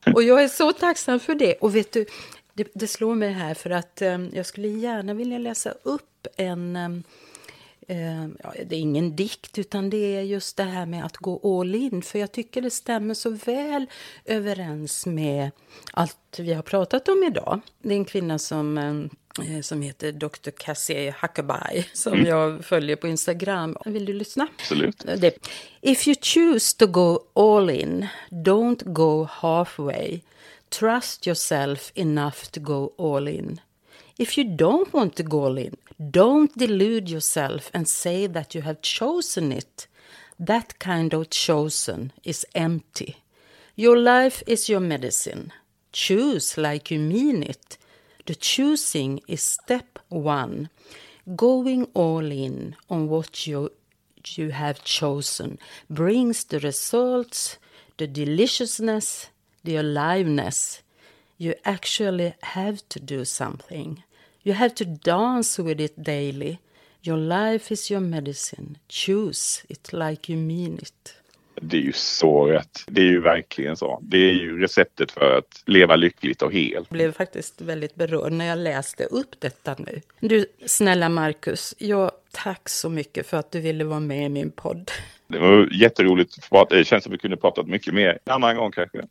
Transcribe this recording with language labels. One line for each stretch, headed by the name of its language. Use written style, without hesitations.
Swedish: Och jag är så tacksam för det, och vet du, det slår mig här, för att jag skulle gärna vilja läsa upp en, det är ingen dikt, utan det är just det här med att gå all in. För jag tycker det stämmer så väl överens med allt vi har pratat om idag. Det är en kvinna som heter Dr. Cassie Huckabee, som jag följer på Instagram. Vill du lyssna? Absolut.
English: If you choose to go all in, don't go halfway. Trust yourself enough to go all in. If you don't want to go all in, don't delude yourself and say that you have chosen it. That kind of chosen is empty. Your life is your medicine. Choose like you mean it. The choosing is step one. Going all in on what you have chosen brings the results, the deliciousness, the aliveness. You actually have to do something. You have to dance with it daily. Your life is your medicine. Choose it like you mean it.
Swedish: Det är ju så rätt. Det är ju verkligen så. Det är ju receptet för att leva lyckligt och hel. Jag blev faktiskt väldigt berörd när jag läste upp detta nu. Du, snälla Marcus, jag tack så mycket för att du ville vara med i min podd. Det var jätteroligt. Det känns som att vi kunde prata mycket mer en annan gång kanske.